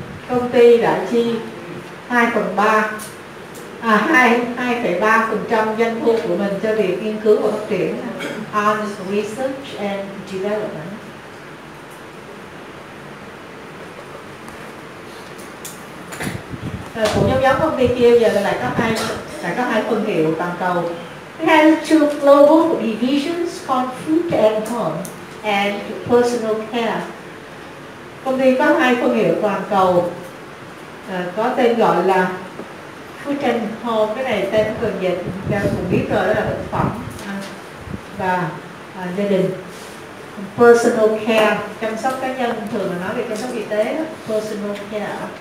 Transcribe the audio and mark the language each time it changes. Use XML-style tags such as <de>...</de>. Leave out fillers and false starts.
<vi>Công ty đã chi 2.3% doanh thu của mình cho việc nghiên cứu và phát triển,</vi> <en>on research and development.</en> <vi>Cũng giống công ty kia, giờ lại có hai phân hiệu toàn cầu.</vi> <en>We have two global divisions called food and home and personal care.</en> <vi>Công ty có hai phân hiệu toàn cầu, có tên gọi là food and home. Cái này tên cần dịch, ta cũng biết rồi, đó là thực phẩm và gia đình. Personal care, chăm sóc cá nhân, thường là nói về chăm sóc y tế, personal care.</vi>